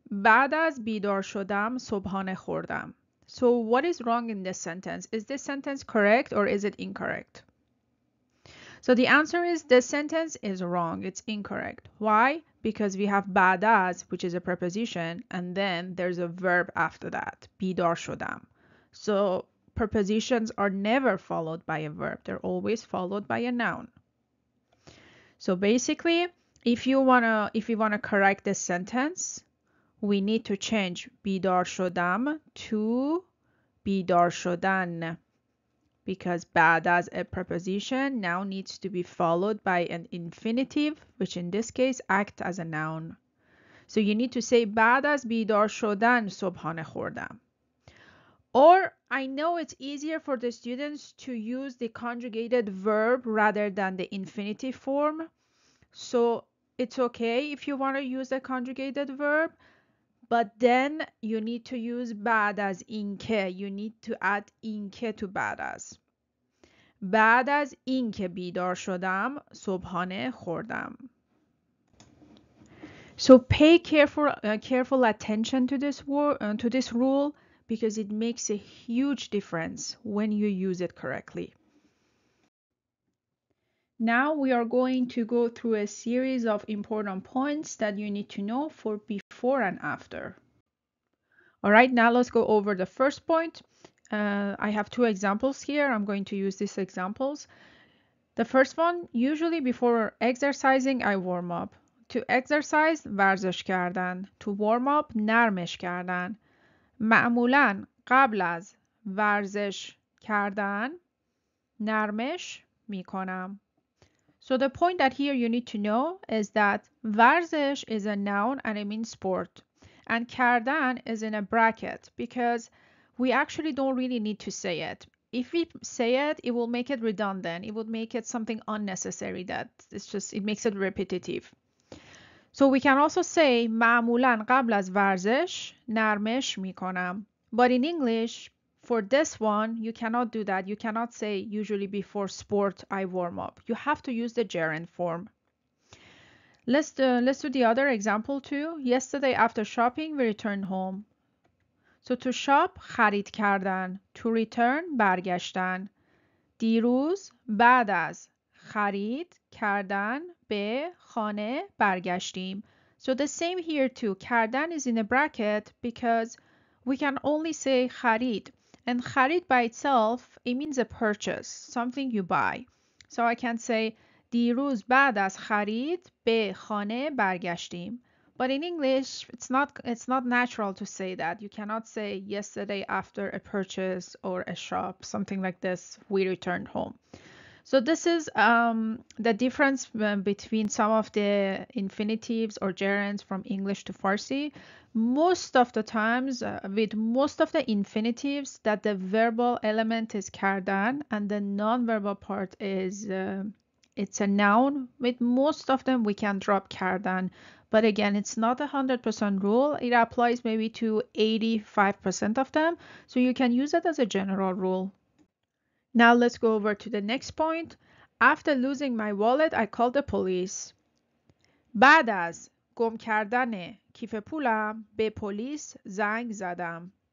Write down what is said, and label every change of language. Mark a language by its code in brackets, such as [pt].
[fa] بعد از بیدار شدم صبحانه خوردم. [en] So what is wrong in this sentence? Is this sentence correct or is it incorrect? So the answer is this sentence is wrong. It's incorrect. Why? Because we have [fa] بعد از, [en] which is a preposition, and then there's a verb after that, [fa] بیدار شدم. [en] So prepositions are never followed by a verb. They're always followed by a noun. So basically, if you wanna correct this sentence, we need to change [fa] بیدار شدم [en] to [fa] بیدار شدن. [en] Because [fa] بعد از [en] a preposition now needs to be followed by an infinitive, which in this case act as a noun. So you need to say [fa] بعد از بیدار شدن صبحانه خوردم. [en] Or I know it's easier for the students to use the conjugated verb rather than the infinitive form. So it's okay if you want to use a conjugated verb. But then you need to use [fa] بعد از اینکه. [en] You need to add اینکه to [fa] بعد از. بعد از اینکه بیدار شدم صبحانه خوردم. [en] So pay careful attention to this rule because it makes a huge difference when you use it correctly. Now we are going to go through a series of important points that you need to know for before and after. All right, now let's go over the first point. I have two examples here. I'm going to use these examples. The first one, usually before exercising, I warm up. To exercise, [fa] ورزش کردن. [en] To warm up, [fa] نرمش کردن. معمولاً قبل از ورزش کردن نرمش می کنم. [en] So the point that here you need to know is that ورزش is a noun and it means sport. And کردن is in a bracket because we actually don't really need to say it. If we say it, it will make it redundant. It would make it something unnecessary that it's just, it makes it repetitive. So we can also say [fa] معمولاً قبل از ورزش نرمش می کنم. [en] But in English, for this one, you cannot do that. You cannot say usually before sport, I warm up. You have to use the gerund form. Let's do the other example too. Yesterday after shopping, we returned home. So to shop خرید کردن. To return برگشتن. [fa] دیروز بعد از خرید کردن به خانه برگشتیم. [en] So the same here too. کردن is in a bracket because we can only say خرید. And خرید by itself, it means a purchase. Something you buy. So I can say [fa] دیروز بعد از خرید به خانه برگشتیم. [en] But in English, it's not natural to say that. You cannot say yesterday after a purchase or a shop, something like this, we returned home. So this is the difference between some of the infinitives or gerunds from English to Farsi. Most of the times, with most of the infinitives, that the verbal element is kardan and the non-verbal part is it's a noun. With most of them, we can drop kardan. But again, it's not a 100% rule. It applies maybe to 85% of them. So you can use it as a general rule. Now let's go over to the next point. After losing my wallet, I called the police. [fa] بعد از گم کردن کیف پولم به پلیس زنگ زدم.